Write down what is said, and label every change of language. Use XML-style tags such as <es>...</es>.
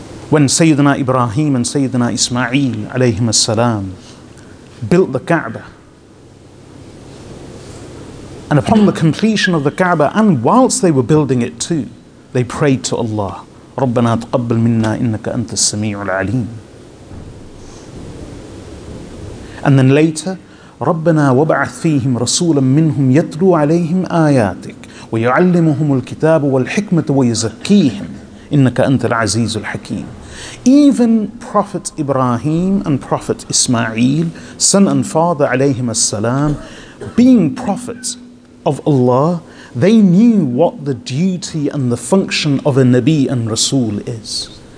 <en>When Sayyidina Ibrahim and Sayyidina Ismail alayhim as-salam built the Kaaba, and upon the completion of the Kaaba, and whilst they were building it too, they prayed to Allah, Rabbana taqabbal minna innaka anta as-sami'ul alim. And then later,</en> <ar>رَبَّنَا وَبَعَثْ فِيهِمْ رَسُولًا مِّنْهُمْ يَتْلُوْ عَلَيْهِمْ آيَاتِكَ وَيُعَلِّمُهُمُ الْكِتَابُ وَالْحِكْمَةُ وَيُزَكِّيهِمْ إِنَّكَ أَنْتَ الْعَزِيزُ الْحَكِيمُ.</ar> <en>Even Prophet Ibrahim and Prophet Ismail, son and father alayhim as-salam, being prophets of Allah, they knew what the duty and the function of a Nabi and Rasul is.</en>